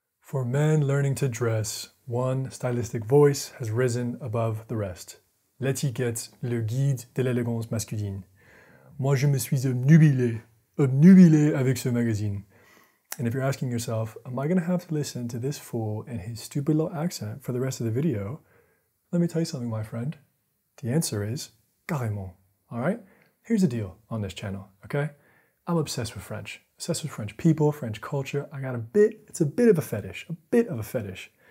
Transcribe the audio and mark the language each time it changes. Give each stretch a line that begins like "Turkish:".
English: To dress, one stylistic voice has risen above the rest.
French: L'étiquette, le guide de l'élégance masculine. Moi, je me suis obnubilé avec ce magazine.
English: And if you're asking yourself, am I going to have to listen to this fool and his stupid little accent for the rest of the video? Let me tell you something, my friend. The answer is, carrément. All right? Here's the deal on this channel, okay? I'm obsessed with French. Obsessed with French people, French culture. I got a bit, it's a bit of a fetish, a bit of a fetish.